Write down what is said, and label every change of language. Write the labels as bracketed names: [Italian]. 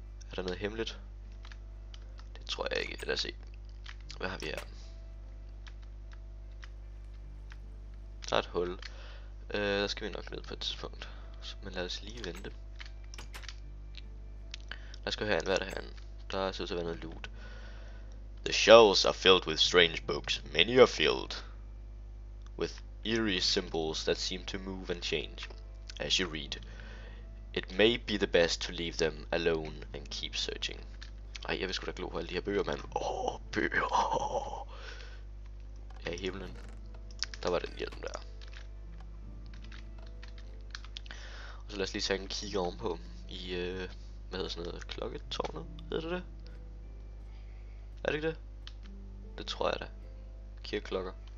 [Danish] Er der noget hemmeligt? Det tror jeg ikke. Lad os se. Hvad har vi her? Der er et hul. Der skal vi nok ned på et tidspunkt. Men lad os lige vente. Lad os gå herhen. Hvad er der herhen? Der ser ud til at være noget loot. [English] The shelves are filled with strange books. Many are filled with eerie symbols that seem to move and change as you read. It may be the best to leave them alone and keep searching. [Danish] Ej, jeg vil sgu da glo på alle de her bøger, mand. Åh, bøger. Ja, i himlen. Der var den hjelm der. Og så lad os lige tage en kig ovenpå i hvad hedder sådan noget, klokketårnet, hedder det? Er det ikke det? Det tror jeg da. Kirkeklokker.